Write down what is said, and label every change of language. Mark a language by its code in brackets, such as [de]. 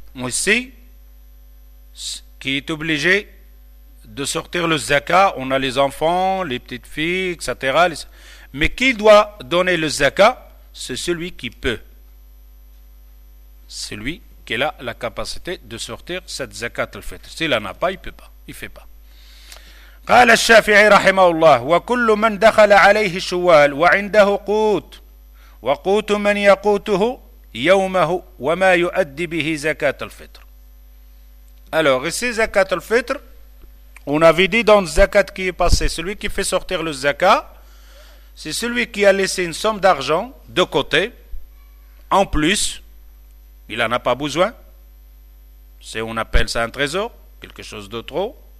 [fr] Aussi, qui est obligé de sortir le zakat. On a les enfants, les petites filles, etc. Mais qui doit donner le zakat? C'est celui qui peut. Celui qui a la capacité de sortir cette zakat al-fitr. S'il n'en a pas, il ne peut pas. Il ne fait pas. [ar] قال الشافعي رحمه الله وكل من دخل عليه شوال وعنده قوت وقوت من يقوته يومه وما يؤدي به زكاة الفطر. [fr] Alors ici زكاة الفطر, on avait dit dans le zakat qui est passé, celui qui fait sortir le zakat, c'est celui qui a laissé une somme d'argent de côté, en plus, il n'en a pas besoin, c'est, on appelle ça un trésor, quelque chose de trop.